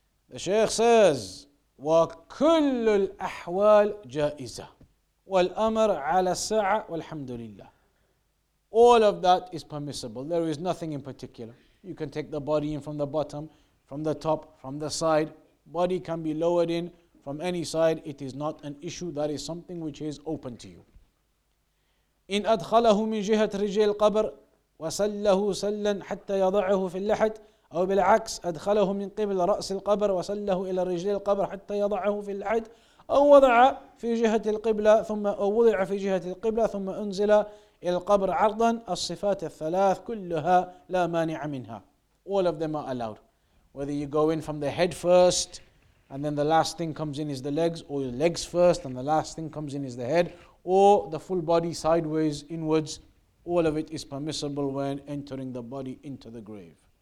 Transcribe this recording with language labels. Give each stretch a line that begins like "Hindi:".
English: The Shaykh says,
Arabic: وَكُلُّ الْأَحْوَالِ جَائِزَةِ وَالْأَمَرَ عَلَى السَّعَى وَالْحَمْدُ لِلَّهِ.
English: All of that is permissible. There is nothing in particular. You can take the body in from the bottom, from the top, from the side. Body can be lowered in from any side. It is not an issue. That is something which is open to you.
Arabic: إن أدخله من جهة رجل القبر وسله سلا حتى يضعه في اللحد أو بالعكس أدخله من قبل رأس القبر وسله إلى رجل القبر حتى يضعه في اللحد أو وضع في جهة القبلة ثم وضع في جهة القبلة ثم أنزل القبر عرضا الصفات الثلاث كلها لا مانع منها.
English: All of them are allowed. whether you go in from the head first and then the last thing comes in is the legs, or your legs first and the last thing comes in is the head, or the full body sideways, inwards, all of it is permissible when entering the body into the grave.